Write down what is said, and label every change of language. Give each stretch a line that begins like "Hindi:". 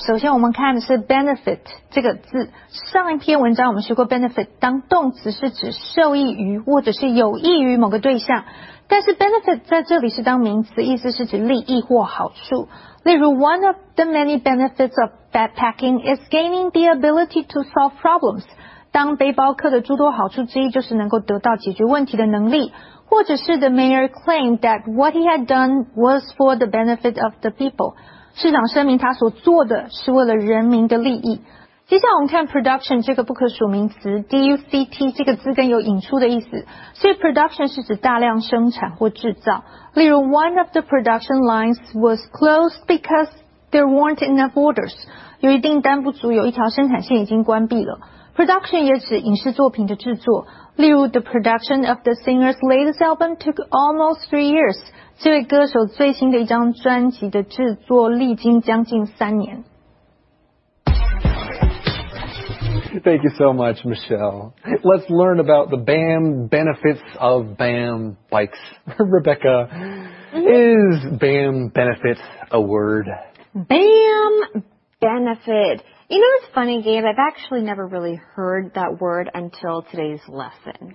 Chinese: 首先我们看的是 benefit 这个字。上一篇文章我们学过 benefit 当动词是指受益于或者是有益于某个对象。但是 benefit 在这里是当名词，意思是指利益或好处。例如
English: one of the many benefits of backpacking is gaining the ability to solve problems.
Chinese: 当背包客的诸多好处之一就是能够得到解决问题的能力。或者是
English: the mayor claimed that what he had done was for the benefit of the people.
Chinese: 市长声明他所做的是为了人民的利益。接下来我们看 production 这个不可数名词 ,duct 这个字根有引出的意思。所以 production 是指大量生产或制造。例如
English: one of the production lines was closed because there weren't enough orders.
Chinese: 有一订单不足，有一条生产线已经关闭了。
English: Production
Chinese: 也指影视作品的制作，例如
English: The production of the singer's latest album took almost 3 years.
Chinese: 这位歌手最新的一张专辑的制作历经将近三年。
English: Thank you so much, Michelle. Let's learn about the BAM benefits of BAM bikes. Rebecca, is BAM benefit a word? BAM benefit... You know, it's funny, Gabe, I've actually never really heard that word until today's lesson.